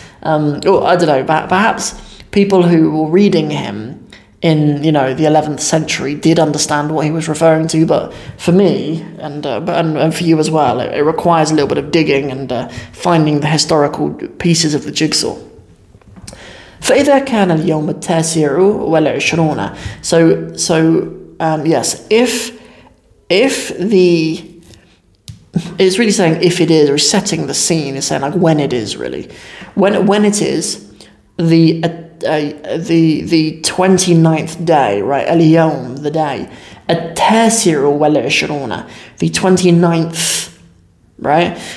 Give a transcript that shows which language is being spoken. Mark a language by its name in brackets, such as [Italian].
[English] I don't know, perhaps people who were reading him in, you know, the 11th century did understand what he was referring to, but for me, and for you as well, it requires a little bit of digging and finding the historical pieces of the jigsaw. [Arabic] فإذا كان اليوم التاسع والعشرون, [English] yes, if the... It's really saying if it is, or setting the scene. It's saying like when it is, really, when it is the 29th day, right? اليوم, the day, [Arabic] التاسر والعشرون, [English] the 29th, right?